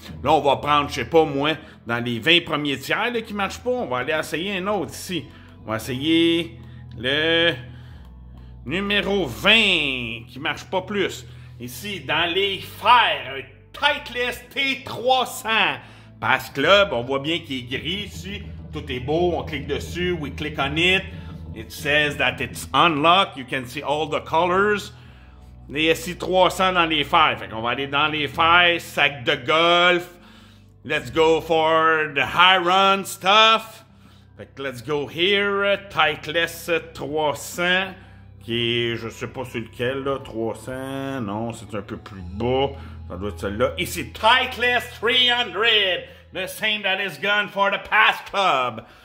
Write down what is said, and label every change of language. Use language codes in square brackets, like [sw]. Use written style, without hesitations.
[fr] Là, on va prendre, je sais pas moi, dans les 20 premiers tiers là, qui marchent pas. On va aller essayer un autre ici. On va essayer le numéro 20 qui marche pas plus. Ici, dans les fers, un Titleist T300. Pass Club, on voit bien qu'il est gris ici. Tout est beau, on clique dessus, [en] we click on it. It says that it's unlocked, you can see all the colors. [fr] Les SI300 dans les fers. Fait qu'on va aller dans les fers, sac de golf. [en] Let's go for the high run stuff. [fr] Fait que [en] let's go here, Titleist 300. [fr] Qui est, je sais pas sur lequel là, 300, non, c'est un peu plus bas. Ça doit être celle-là. Ici, Titleist 300. [en] The same that is gone for the past club.